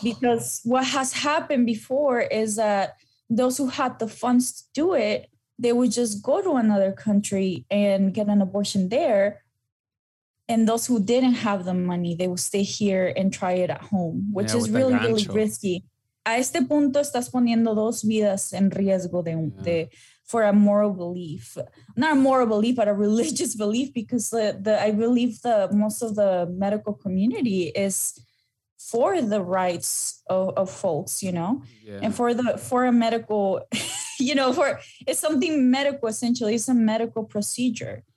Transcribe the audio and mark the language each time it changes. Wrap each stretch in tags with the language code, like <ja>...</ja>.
<en>Because what has happened before is that those who had the funds to do it, they would just go to another country and get an abortion there. And those who didn't have the money, they will stay here and try it at home, which is really, really risky.</en> <es>A este punto estás poniendo dos vidas en riesgo</es> <en>for a moral belief. Not a moral belief, but a religious belief, because I believe the most of the medical community is for the rights of folks, you know? Yeah. And for a medical, you know, for it's something medical, essentially. It's a medical procedure.</en>